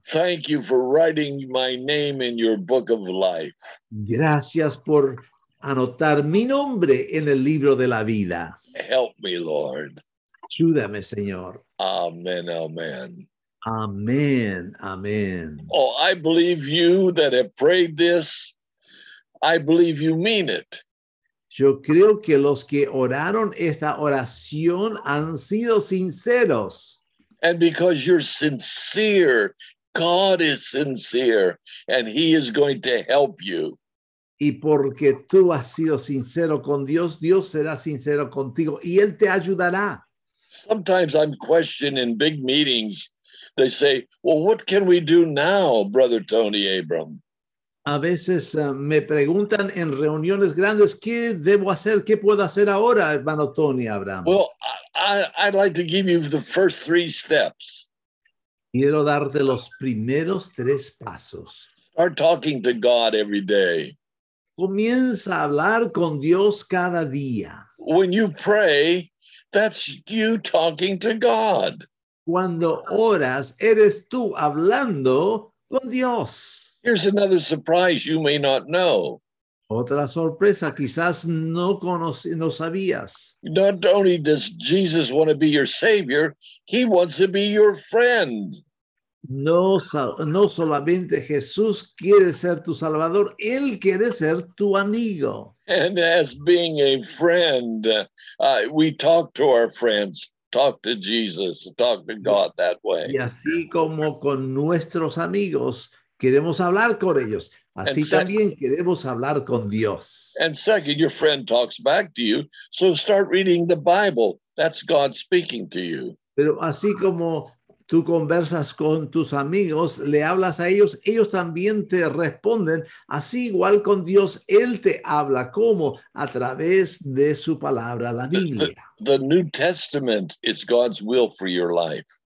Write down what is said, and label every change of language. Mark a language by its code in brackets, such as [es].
[en] Thank you for writing my name in your book of life. [es] Gracias por anotar mi nombre en el libro de la vida. [en] Help me, Lord. [es] Ayúdame, Señor. [en] Amen, amen. [es] Amen, amen. [en] Oh, I believe you that have prayed this. I believe you mean it. [es] Yo creo que los que oraron esta oración han sido sinceros. [en] And because you're sincere, God is sincere, and he is going to help you. [es] Y porque tú has sido sincero con Dios, Dios será sincero contigo, y él te ayudará. [en] Sometimes I'm questioned in big meetings. They say, well, what can we do now, Brother Tony Abram? [es] A veces me preguntan en reuniones grandes, ¿qué debo hacer? ¿Qué puedo hacer ahora, hermano Tony Abraham? [en] Well, I'd like to give you the first three steps. [es] Quiero darte los primeros tres pasos. [en] Start talking to God every day. [es] Comienza a hablar con Dios cada día. [en] When you pray, that's you talking to God. [es] Cuando oras, eres tú hablando con Dios. [en] Here's another surprise you may not know. [es] Otra sorpresa, quizás no sabías. [en] Not only does Jesus want to be your Savior, he wants to be your friend. [es] No solamente Jesús quiere ser tu Salvador, él quiere ser tu amigo. [en] And as being a friend, we talk to our friends. Talk to Jesus, talk to God that way. [es] Y así como con nuestros amigos queremos hablar con ellos, así también queremos hablar con Dios. [en] And second, your friend talks back to you, so start reading the Bible. That's God speaking to you. [es] Pero así como tú conversas con tus amigos, le hablas a ellos, ellos también te responden. Así igual con Dios, él te habla, ¿cómo? A través de su palabra, la Biblia. [en] The New Testament is God's will for your life.